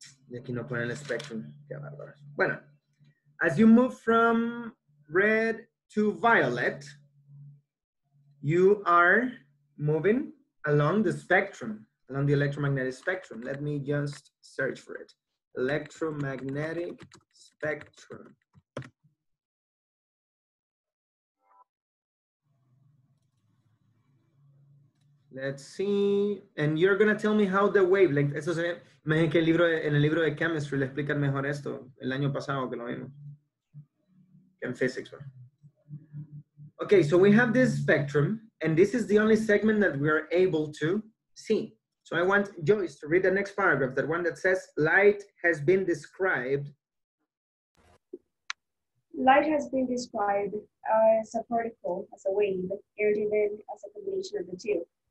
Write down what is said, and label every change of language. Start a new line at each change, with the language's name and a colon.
Spanish: Y aquí no ponen el spectrum. Qué bárbaro. Bueno,
English: as you move from red to violet, you are moving along the spectrum, along the electromagnetic spectrum. Let me just search for it. Electromagnetic spectrum. Let's see, and you're gonna tell me how the wavelength.
Spanish: Eso se me dice que el libro en el libro de chemistry le explican mejor esto el año pasado que lo vimos.
English: En physics, right? Okay, so we have this spectrum, and this is the only segment that we are able to see. So I want Joyce to read the next paragraph, that one that says light has been described. Light has been described as a particle, as a wave, air driven, as a combination of the two.